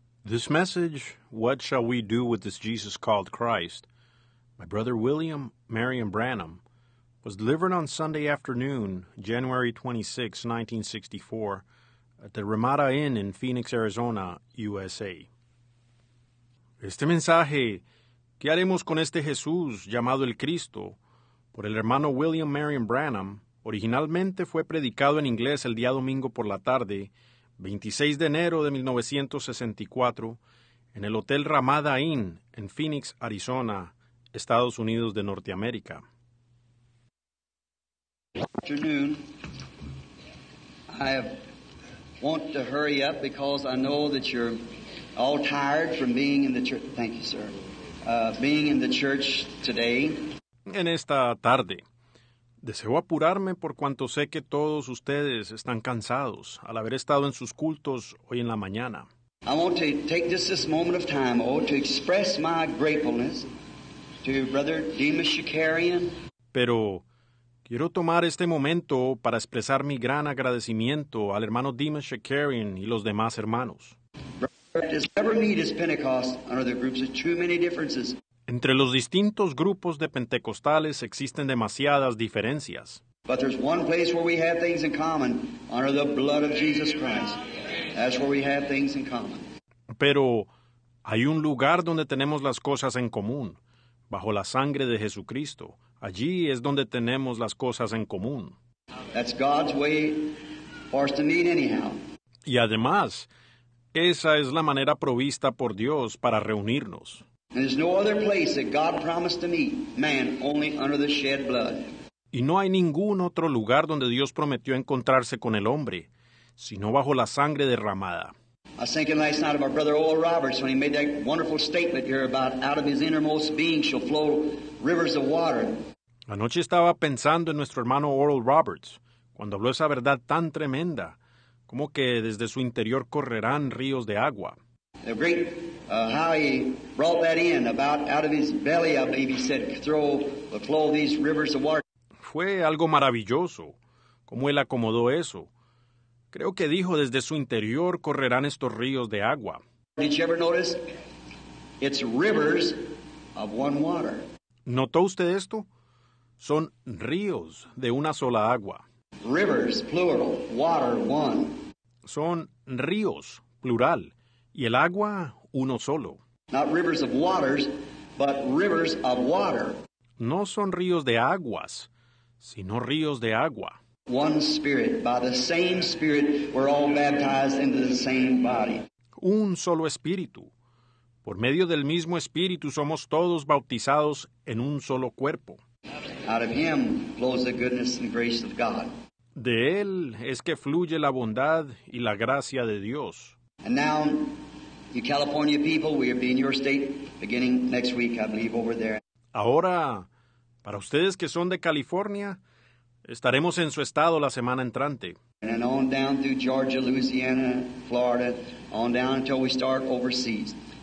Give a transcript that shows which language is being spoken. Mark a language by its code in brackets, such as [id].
[en] This message, What Shall We Do With This Jesus Called Christ, by Brother William Marion Branham, was delivered on Sunday afternoon, January 26, 1964, at the Ramada Inn in Phoenix, Arizona, USA. [es] Este mensaje, ¿Qué haremos con este Jesús llamado el Cristo?, por el hermano William Marion Branham, originalmente fue predicado en inglés el día domingo por la tarde, 26 de enero de 1964, en el Hotel Ramada Inn, en Phoenix, Arizona, Estados Unidos de Norteamérica. [en] Afternoon. I want to hurry up because I know that you're all tired from being in the church. Thank you, sir. Being in the church today. [es] En esta tarde. Deseo apurarme por cuanto sé que todos ustedes están cansados al haber estado en sus cultos hoy en la mañana. [en] I want to take just this moment of time, oh, to express my gratefulness to Brother Demas Shakarian. [es] Pero quiero tomar este momento para expresar mi gran agradecimiento al hermano Demas Shakarian y los demás hermanos. [en] Brother, does ever meet as Pentecost under the groups of too many differences? [es] Entre los distintos grupos de pentecostales existen demasiadas diferencias. [en] But there's one place where we have things in common, under the blood of Jesus Christ. That's where we have things in common. [es] Pero hay un lugar donde tenemos las cosas en común, bajo la sangre de Jesucristo. Allí es donde tenemos las cosas en común. [en] That's God's way for us to meet anyhow. [es] Y además, esa es la manera provista por Dios para reunirnos. [en] There's no other place that God promised to meet man only under the shed blood. [es] Y no hay ningún otro lugar donde Dios prometió encontrarse con el hombre, sino bajo la sangre derramada. [en] I was thinking last night of my brother Oral Roberts when he made that wonderful statement here about out of his innermost being shall flow rivers of water. [es] Anoche estaba pensando en nuestro hermano Oral Roberts cuando habló esa verdad tan tremenda, como que desde su interior correrán ríos de agua. [en] The great how he brought that in about out of his belly, I believe he said, throw the flow of these rivers of water. [es] Fue algo maravilloso, como él acomodó eso. Creo que dijo desde su interior correrán estos ríos de agua. [en] Did you ever notice? It's rivers of one water. [es] ¿Notó usted esto? Son ríos de una sola agua. [en] Rivers, plural, water, one. [es] Son ríos, plural. Y el agua, uno solo. [en] Not rivers of waters, but rivers of water. [es] No son ríos de aguas, sino ríos de agua. [en] One spirit, by the same spirit, we're all baptized into the same body. [es] Un solo espíritu. Por medio del mismo espíritu somos todos bautizados en un solo cuerpo. [en] Out of him flows the goodness and grace of God. [es] De él es que fluye la bondad y la gracia de Dios. [en] And now, you California people, we'll be in your state beginning next week, I believe, over there. [es] Ahora, para ustedes que son de California, estaremos en su estado la semana entrante. [en] And on down through Georgia, Louisiana, Florida, on down until we start overseas.